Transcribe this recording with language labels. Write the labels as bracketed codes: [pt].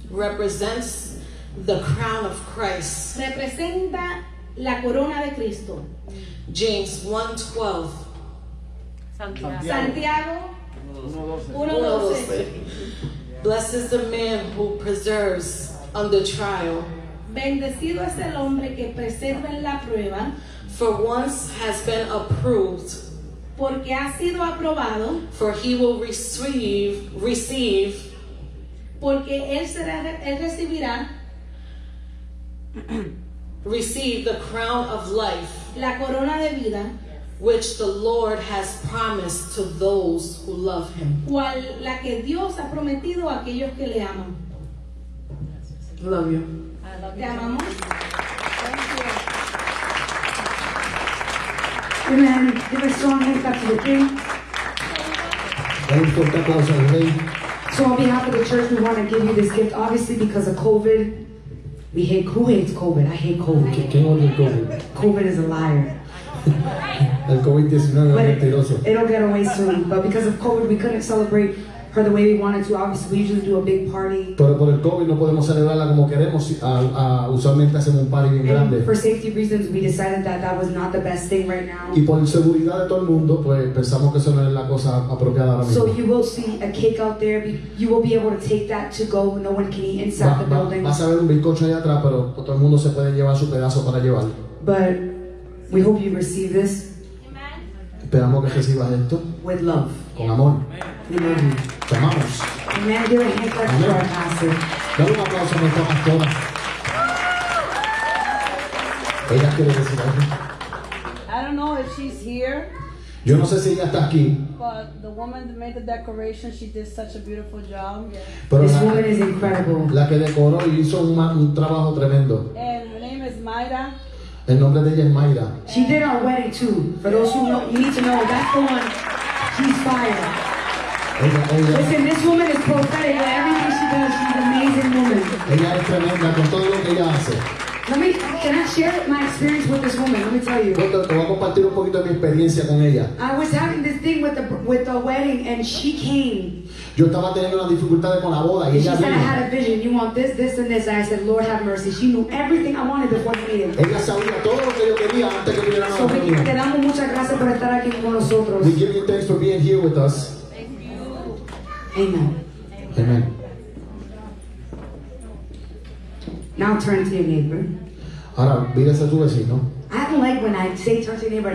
[en] Represents the crown of Christ. [es] Representa la corona de Cristo. James 1:12. Santiago. 1:12. [en] Blessed is the man who preserves under trial. [es] Bendecido es el hombre que preserva en la prueba. [en] For once has been approved. [es] Porque ha sido aprobado. [en] For he will receive. [es] Porque él recibirá. [en] Receive the crown of life. [es] La corona de vida. [en] Which the Lord has promised to those who love him. [es] Cual la que Dios ha prometido a aquellos que le aman. [en] Love you. [es] Te amamos. [en] Amen. Give a strong hand clap to the King. [es] Un fuerte aplauso al Rey. [en] So on behalf of the church, we want to give you this gift, obviously because of COVID. We hate, who hates COVID? I hate COVID. [es] ¿Quién odia COVID? [en] COVID is a liar. [es] El COVID-19 es mentiroso. [en] It'll get away soon. But because of COVID, we couldn't celebrate her the way we wanted to. Obviously, we usually do a big party. [es] Pero por el COVID no podemos celebrarla como queremos. Usualmente hacemos un party bien grande. [en] For safety reasons, we decided that was not the best thing right now. [es] Y por la seguridad de todo el mundo, pues pensamos que eso no es la cosa apropiada ahora mismo. [en] So you will see a cake out there. You will be able to take that to go. No one can eat inside the building. [es] Vas a ver un bizcocho allá atrás, pero todo el mundo se puede llevar su pedazo para llevarlo. [en] But we hope you receive this. [es] Esperamos que recibas esto. [en] With love. [es] Con amor. [en] Amen. [es] Te amamos. [en] Amen. Give a hand clap to our pastor. [es] Dale un aplauso a nuestra pastora. ¿Ella quiere decir algo? [en] I don't know if she's here. [es] Yo no sé si ella está aquí. [en] But the woman that made the decoration, she did such a beautiful job. Pero this woman is incredible. [es] La que decoró y hizo un trabajo tremendo. [en] And her name is Mayra. [es] El nombre de ella es Mayra. [en] She did our wedding too. For those who know, you need to know, that's the one. She's fire. [es] Ella. [en] Listen, this woman is prophetic. Everything she does, she's an amazing woman. [es] Ella es tremenda con todo lo que ella hace. [en] Can I share my experience with this woman? Let me tell you. [es] Te voy a compartir un poquito de mi experiencia con ella. [en] I was having this thing with the wedding, and she came. [es] Yo estaba teniendo una dificultad con la boda y ella [en] said, I had a vision. You want this, this, and this. And I said, Lord, have mercy. She knew everything I wanted before the meeting. [es] Ella sabía todo lo que yo quería antes que viniera. So te damos muchas gracias por estar aquí con nosotros. [en] We give you thanks for being here with us. Thank you. Amen. Amen. Now turn to your neighbor. [es] Ahora, mírese a tu vecino. [en] I don't like when I say turn to your neighbor.